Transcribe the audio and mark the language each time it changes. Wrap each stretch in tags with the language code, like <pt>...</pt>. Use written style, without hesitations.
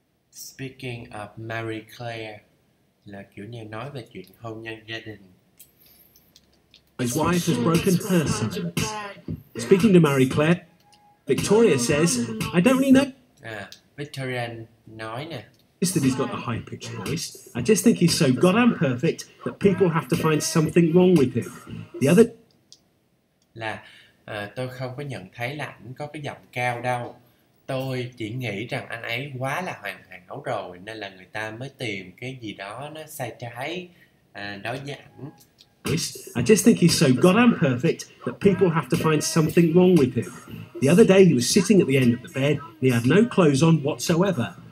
<en>Speaking of</en> <vi>Mary Claire, là kiểu như nói về chuyện hôn nhân gia đình.</vi> <en>His wife has broken her silence. Speaking to Mary Claire, Victoria says, I don't really know.</en> <vi>Victoria nói nè.</vi> <en>It's that he's got a high-pitched voice. I just think he's so goddamn perfect that people have to find something wrong with him. The other...</en> <vi>Là, tôi không có nhận thấy là anh có cái giọng cao đâu. Tôi chỉ nghĩ rằng anh ấy quá là hoàn hảo rồi, nên là người ta mới tìm cái gì đó nó sai trái đối với ảnh.</vi> <en>I just think he's so goddamn perfect that people have to find something wrong with him. The other day he was sitting at the end of the bed and he had no clothes on whatsoever.</en>